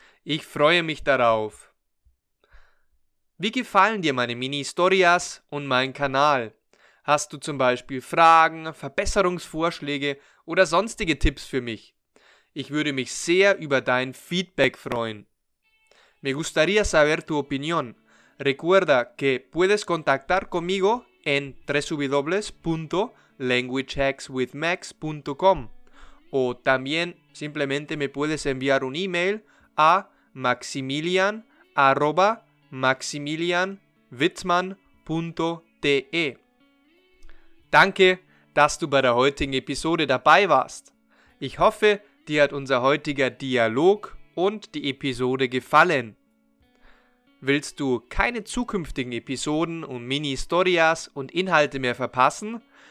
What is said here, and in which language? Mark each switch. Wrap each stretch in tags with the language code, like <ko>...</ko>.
<de>Ich freue mich darauf. Wie gefallen dir meine Mini-Storias und mein Kanal? Hast du zum Beispiel Fragen, Verbesserungsvorschläge oder sonstige Tipps für mich? Ich würde mich sehr über dein Feedback freuen.</de> <es>Me gustaría saber tu opinión. Recuerda que puedes contactar conmigo en www.languagehackswithmax.com o también simplemente me puedes enviar un email a maximilian@maximilianwitzmann.de.</es> <de>Danke, dass du bei der heutigen Episode dabei warst. Ich hoffe, dir hat unser heutiger Dialog und die Episode gefallen. Willst du keine zukünftigen Episoden und Mini-Storias und Inhalte mehr verpassen?</de>